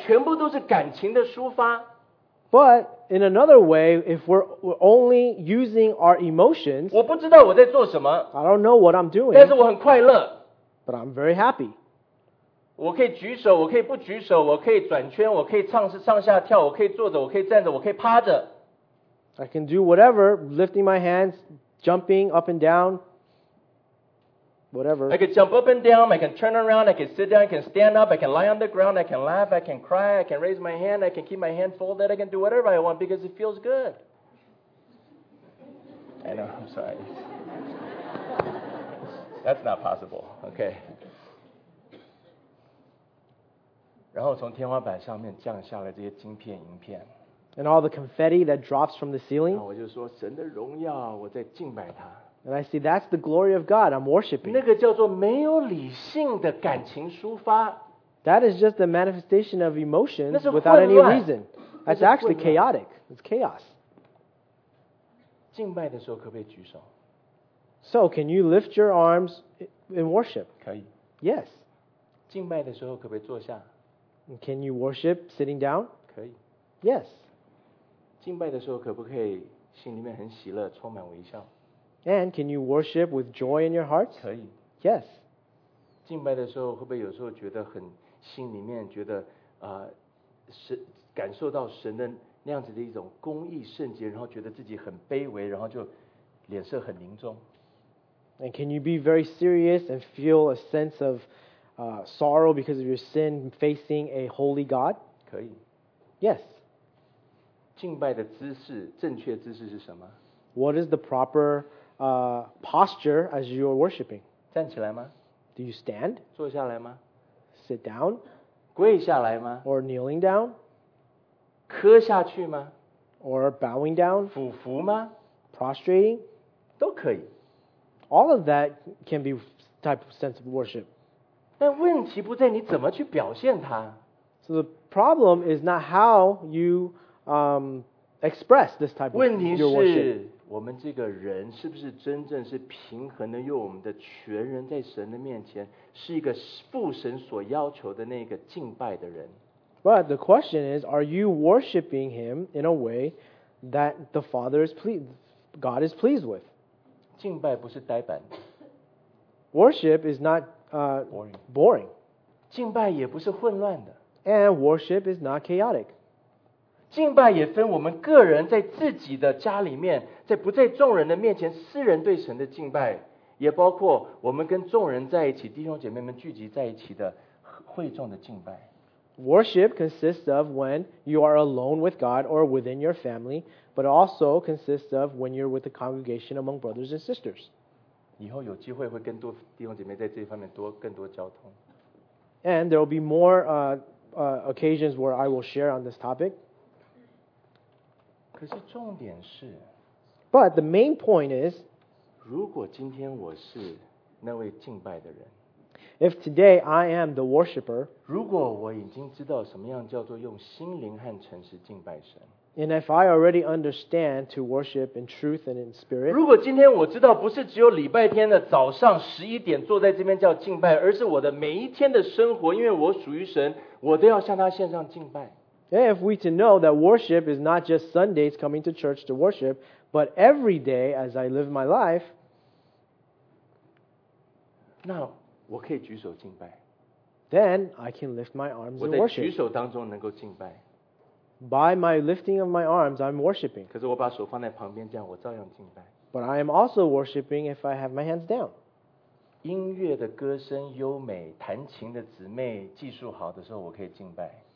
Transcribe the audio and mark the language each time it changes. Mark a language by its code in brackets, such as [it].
[zh] 可是这种敬，如果我们换一种敬拜，全部都是感情的抒发， [en] But in another way, if we're only using our emotions, [zh] 我不知道我在做什么, [en] I don't know what I'm doing, [zh] 但是我很快乐, [en] but I'm very happy. [zh] 我可以举手, 我可以不举手, 我可以转圈, 我可以上下跳, 我可以坐着, 我可以站着, 我可以趴着。 [en] I can do whatever, lifting my hands, jumping up and down. whatever. I can jump up and down, I can turn around, I can sit down, I can stand up, I can lie on the ground, I can laugh, I can cry, I can raise my hand, I can keep my hand folded, I can do whatever I want because it feels good. I know, I'm sorry. That's not possible, okay. [zh] 然后从天花板上面降下来这些晶片、银片。 [en] And all the confetti that drops from the ceiling. [zh] 我就说神的荣耀，我在敬拜他。 [en] And I see that's the glory of God. I'm worshiping. [zh] 那个叫做没有理性的感情抒发。 [en] That is just the manifestation of emotion without any reason. That's actually chaotic. It's chaos. [zh] 敬拜的时候可不可以举手？ [en] So can you lift your arms in worship? [zh] 可以。 [en] Yes. [zh] 敬拜的时候可不可以坐下？ [en] Can you worship sitting down? [zh] 可以。 [en] Yes. [zh] 敬拜的时候可不可以心里面很喜乐，充满微笑？ [en] And can you worship with joy in your heart? [zh] 可以。 [en] Yes. [zh] 敬拜的时候会不会有时候觉得很心里面觉得感受到神的那样子的一种公义圣洁，然后觉得自己很卑微，然后就脸色很凝重？ [en] And can you be very serious and feel a sense of sorrow because of your sin facing a holy God? [zh] 可以。 [en] Yes. [zh] 敬拜的姿势，正确姿势是什么？ [en] What is the proper posture as you are worshiping? [zh] 站起来吗？ [en] Do you stand? [zh] 坐下来吗？ [en] Sit down? [zh] 跪下来吗？ [en] Or kneeling down? [zh] 磕下去吗？ [en] Or bowing down? [zh] 俯伏吗？ [en] Prostrating? [zh] 都可以。 [en] All of that can be type of sense of worship. [zh] 但问题不在你怎么去表现它。 [en] So the problem is not how you express this type of worship. [zh] 问题是我们这个人是不是真正是平衡的，用我们的全人在神的面前是一个父神所要求的那个敬拜的人。 [en] But the question is, are you worshiping him in a way that the Father is pleased, God is pleased with? [zh] 敬拜不是呆板。 [en] Worship is not boring. [zh] 敬拜也不是混乱的。 [en] And worship is not chaotic. [zh] 敬拜也分我们个人在自己的家里面，在不在众人的面前，私人对神的敬拜，也包括我们跟众人在一起，弟兄姐妹们聚集在一起的会众的敬拜。 [en] Worship consists of when you are alone with God or within your family, but also consists of when you're with the congregation among brothers and sisters. [zh] 以后有机会会跟多弟兄姐妹在这方面多更多交通。 [en] And there will be more occasions where I will share on this topic. [zh] 可是重点是 [en] But the main point is, [zh] 如果今天我是那位敬拜的人， [en] If today I am the worshiper, [zh] 如果我已经知道什么样叫做用心灵和诚实敬拜神， [en] And if I already understand to worship in truth and in spirit, [zh] 如果今天我知道不是只有礼拜天的早上十一点坐在这边叫敬拜，而是我的每一天的生活，因为我属于神，我都要向他献上敬拜。 [en] If we to know that worship is not just Sundays coming to church to worship, but every day as I live my life, [zh] 那我可以举手敬拜。 [en] Then I can lift my arms in worship. [zh] 我在举手当中能够敬拜。 [en] By my lifting of my arms, I'm worshiping. [zh] 可是我把手放在旁边，这样我照样敬拜。 [en] But I am also worshiping if I have my hands down. [zh] 音乐的歌声优美，弹琴的姊妹技术好的时候，我可以敬拜。